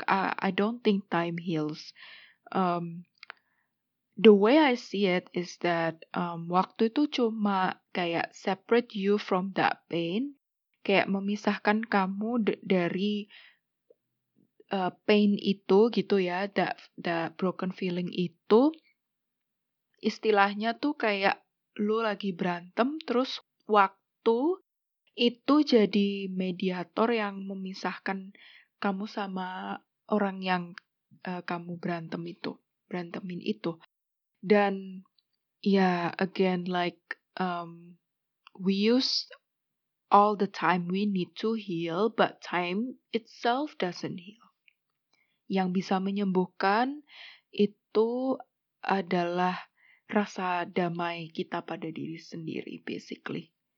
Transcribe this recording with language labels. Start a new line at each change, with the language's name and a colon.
English: I don't think time heals. The way I see it is that
Indonesian: waktu itu cuma kayak
English: separate you from that pain.
Indonesian: Kayak memisahkan kamu dari
English: pain
Indonesian: itu gitu ya,
English: that broken feeling
Indonesian: itu. Istilahnya tuh kayak lu lagi berantem, terus waktu itu jadi mediator yang memisahkan kamu sama orang yang kamu berantemin itu. Dan ya,
English: again, like we use all the time we need to heal, but time itself doesn't heal.
Indonesian: Yang bisa menyembuhkan itu adalah rasa damai kita pada diri sendiri, basically.